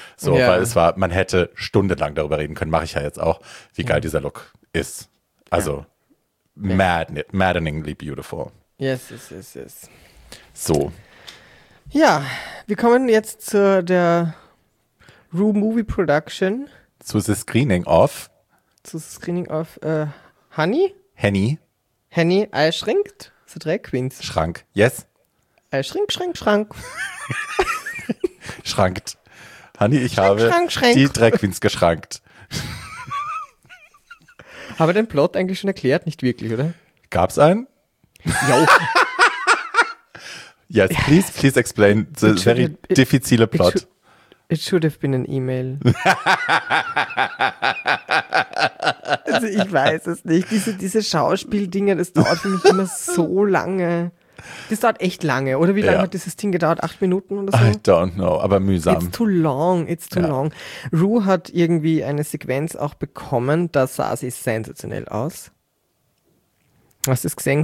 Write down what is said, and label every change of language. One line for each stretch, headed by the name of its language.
German: So, weil es war, man hätte stundenlang darüber reden können, mache ich ja jetzt auch, wie geil dieser Look ist. Also,
English: maddeningly beautiful. Yes.
German: So. Ja, wir kommen jetzt zu der Rue Movie Production. Zu
English: the screening of Henny, Eil schrinkt, so drei Queens. Schrank, yes. Eil schrank. Schrankt.
German: Honey, ich habe die drei Queens geschrankt. Haben wir den Plot eigentlich schon erklärt? Nicht wirklich, oder? Gab's einen? Jo.
English: Yes, please explain the very difficile Plot. It should have been an email.
German: Also ich weiß es nicht. Diese Schauspieldinger, das dauert für mich immer so lange. Das dauert echt lange, oder? Wie lange hat dieses Ding gedauert? 8 Minuten oder so?
English: I don't know,
German: aber mühsam.
English: It's too long.
German: Rue hat irgendwie eine Sequenz auch bekommen, da sah sie sensationell aus. Hast du es gesehen?